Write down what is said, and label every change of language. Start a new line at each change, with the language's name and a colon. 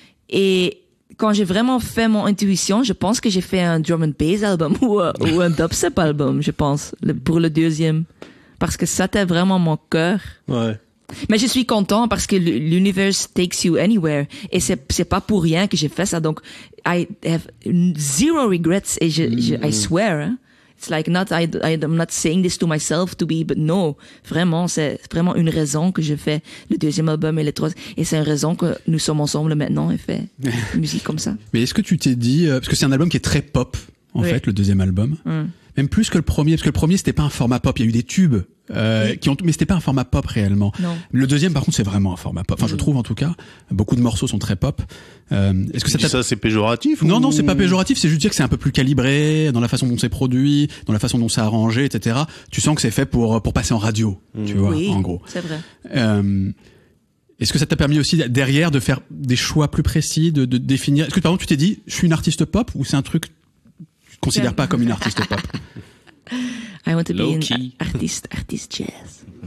French: Et quand j'ai vraiment fait mon intuition, je pense que j'ai fait un drum and bass album ou un dubstep album, je pense, pour le deuxième. Parce que ça, c'était vraiment mon cœur. Ouais. Mais je suis content parce que l'univers
English: takes you anywhere.
French: Et c'est pas pour rien que j'ai fait ça. Donc,
English: I have zero regrets
French: et
English: I swear... It's like not I'm not saying this to myself to be, but no,
French: vraiment c'est vraiment une raison que je fais le deuxième album et le troisième, et c'est une raison que nous sommes ensemble maintenant et fait musique comme ça. Mais est-ce que tu t'es dit, parce que c'est un album qui est très pop en fait, le deuxième album, même plus que le premier, parce que le premier c'était pas un format pop, il y a eu des tubes mais c'était pas un format pop réellement. Non. Le deuxième par contre c'est vraiment un format pop, enfin je trouve, en tout cas beaucoup de morceaux sont très pop. Est-ce que ça c'est péjoratif? Non, c'est pas péjoratif, c'est juste dire que c'est un peu plus calibré dans la façon dont c'est produit, dans la façon dont c'est arrangé, etc. Tu sens que c'est fait pour passer en radio, tu vois, en gros. C'est vrai. Est-ce que ça t'a permis aussi derrière de faire des choix plus précis, de définir? Est-ce que par exemple tu t'es dit je suis une artiste pop ou c'est un truc que tu ne considères pas comme une artiste pop?
English: I want to be an artist jazz.